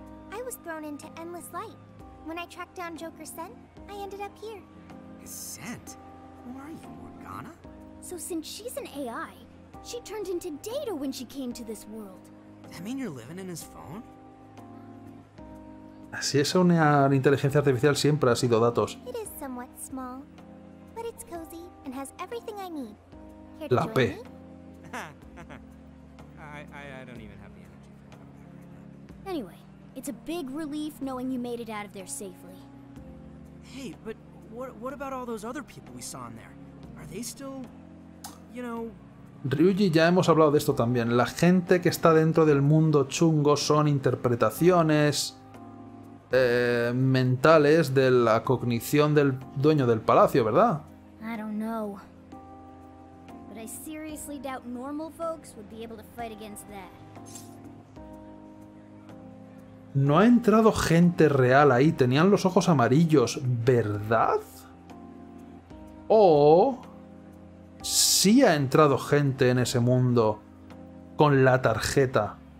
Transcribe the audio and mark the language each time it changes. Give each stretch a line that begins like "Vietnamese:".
English: I was thrown into endless light. When I tracked down Joker's scent, I ended up here. Scent? Who are you, Morgana? So since she's an AI, she turned into data when she came to this world. That mean you're living in his phone?
Spanish: Si es una inteligencia artificial, siempre ha sido datos.
English: It is somewhat small, but it's cozy and has everything I need.
Spanish: La P.
English: I don't even have the energy for that. Anyway, it's a big relief knowing you made it out of there safely. Hey, but what about all those other people we saw in there? Are they still, you know?
Spanish: Ryuji, ya hemos hablado de esto también. La gente que está dentro del mundo chungo son interpretaciones mentales de la cognición del dueño del palacio, ¿verdad?
English: I don't know. But I seriously doubt normal folks would be able to fight against that.
Spanish: No ha entrado gente real ahí, tenían los ojos amarillos, ¿verdad? O sí ha entrado gente en ese mundo con la tarjeta.